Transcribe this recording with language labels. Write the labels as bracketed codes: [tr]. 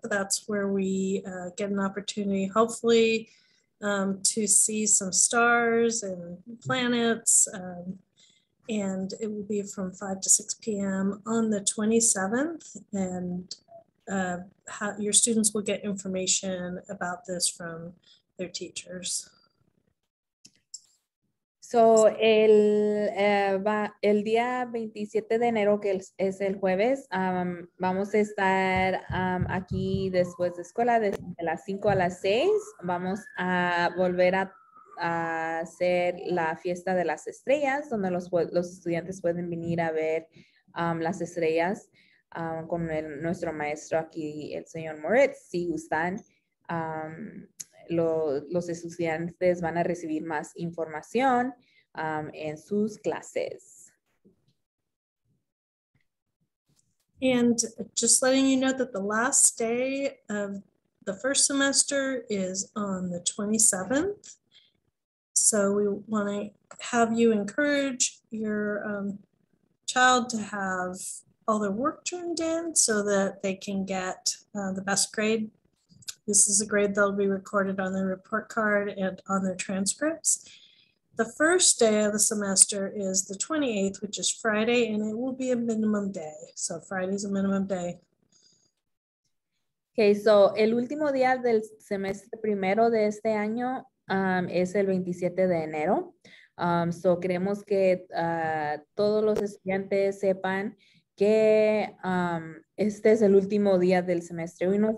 [en] That's where we get an opportunity, hopefully, to see some stars and planets. And it will be from 5 to 6 p.m. on the 27th. And your students will get information about this from their teachers. [es] So, el día 27 de enero, que es el jueves, vamos a estar aquí después de escuela desde las 5 a las 6. Vamos a volver a hacer la fiesta de las estrellas, donde los estudiantes pueden venir a ver las estrellas con nuestro maestro aquí, el señor Moritz, si gustan. Los estudiantes van a recibir más información en sus clases. [en] And just letting you know that the last day of the first semester is on the 27th. So we want to have you encourage your child to have all their work turned in so that they can get the best grade. This is a grade that will be recorded on their report card and on their transcripts. The first day of the semester is the 28th, which is Friday, and it will be a minimum day. So Friday is a minimum day. [es] Okay, so el último día del semestre primero de este año es el 27 de enero. So queremos que todos los estudiantes sepan que este es el último día del semestre uno.